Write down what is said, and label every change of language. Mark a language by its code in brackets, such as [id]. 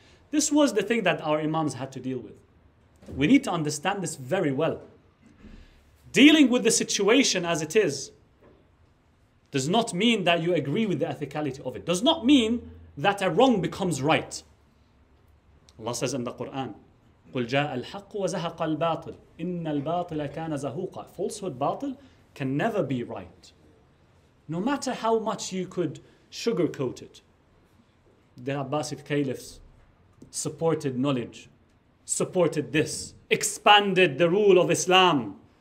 [en] This was the thing that our imams had to deal with. We need to understand this very well. Dealing with the situation as it is does not mean that you agree with the ethicality of it. Does not mean that a wrong becomes right. Allah says in the Quran, [ar] قُلْ جَاءَ الْحَقُّ وَزَهَقَ الْبَاطِلِ إِنَّ الْبَاطِلَ كَانَ زَهُوقًا. [en] Falsehood, batil, can never be right. No matter how much you could sugarcoat it, the Abbasid caliphs supported knowledge, supported this, expanded the rule of Islam.